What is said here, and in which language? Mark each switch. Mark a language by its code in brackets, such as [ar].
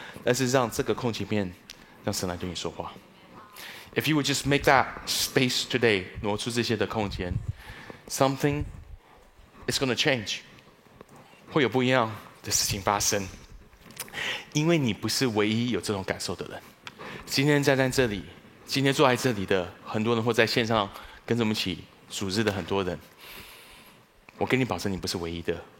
[zh] 但是让这个空间面让神来对你说话。 [en] If you would just make that space today, [zh] 挪出这些的空间 [en] ，something is going to change. [zh] 会有不一样的事情发生，因为你不是唯一有这种感受的人。今天站在这里，今天坐在这里的很多人，或在线上跟着我们一起组织的很多人，我跟你保证，你不是唯一的。